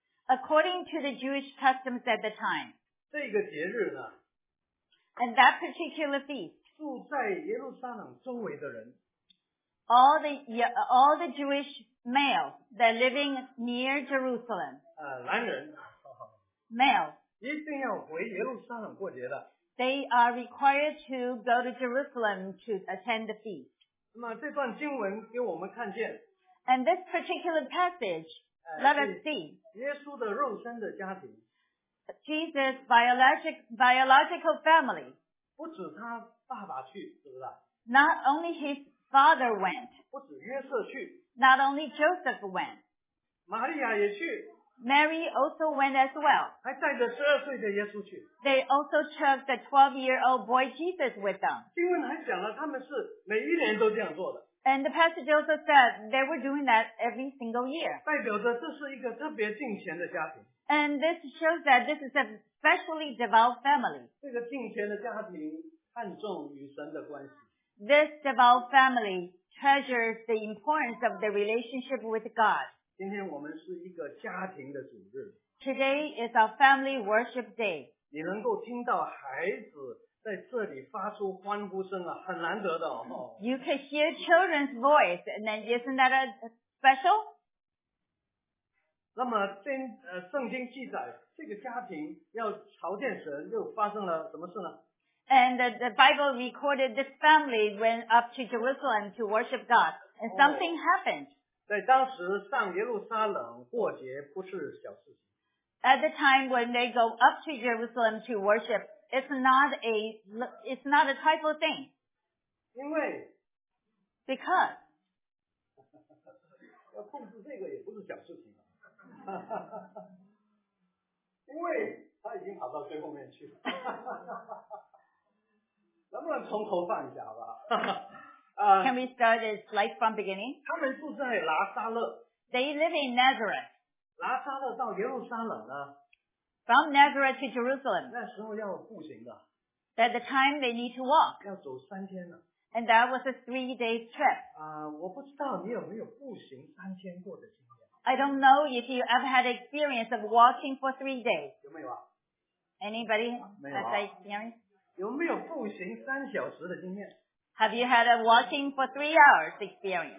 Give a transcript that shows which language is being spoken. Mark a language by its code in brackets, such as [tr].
[en] According to the Jewish customs at the time. And that particular feast. All the Jewish males that are living near Jerusalem. [zh] 男人。 [en] Males. [zh] 一定要回耶路撒冷过节的。 [en] They are required to go to Jerusalem to attend the feast. [zh] 那么这段经文给我们看见。 [en] And this particular passage, let us see. [zh] 耶稣的肉身的家庭。 [en] Jesus' biological family. [zh] 不止他爸爸去，是不是？ [en] Not only his Father went. [zh] 不止约瑟去。 [en] Not only Joseph went. [zh] 玛利亚也去。 [en] Mary also went as well. [zh] 还带着十二岁的耶稣去。 [en] They also took the 12-year-old boy Jesus with them. [zh] 经文还讲了他们是每一年都这样做的。 [en] And the passage also said they were doing that every single year. [zh] 代表着这是一个特别敬虔的家庭。 [en] And this shows that this is a specially devout family. [zh] 这个敬虔的家庭看重与神的关系。 [en] This devout family treasures the importance of the relationship with God. [zh] 今天我们是一个家庭的主日。 [en] Today is our family worship day. [zh] 你能够听到孩子在这里发出欢呼声啊，很难得的哦。 [en] You can hear children's voice, and then isn't that a special? [zh] 那么圣经记载，这个家庭要朝见神，又发生了什么事呢？ [en] And the Bible recorded this family went up to Jerusalem to worship God. And something happened. [zh] 在当时上耶路撒冷过节不是小事情。 [en] At the time when they go up to Jerusalem to worship, it's not a trifle thing. [zh] 因为。 [en] Because. [zh] 要控制这个也不是小事情。因为他已经跑到最后面去了。能不能从头放一下好不好 [en] Can we start it like from beginning? [zh] 他们住在拿撒勒。 [en] They live in Nazareth. [zh] 拿撒勒到耶路撒冷呢。 [en] From Nazareth to Jerusalem. [zh] 那时候要步行的。 [en] At the time they need to walk. [zh] 要走三天了。 [en] And that was a 3-day trip. [zh] 我不知道你有没有步行三天过的经验。 [en] I don't know if you ever had experience of walking for 3 days. [zh] 有没有啊 [en] Anybody has that experience? [zh] 有没有步行三小时的经验 [en] ？Have you had a walking for 3 hours experience？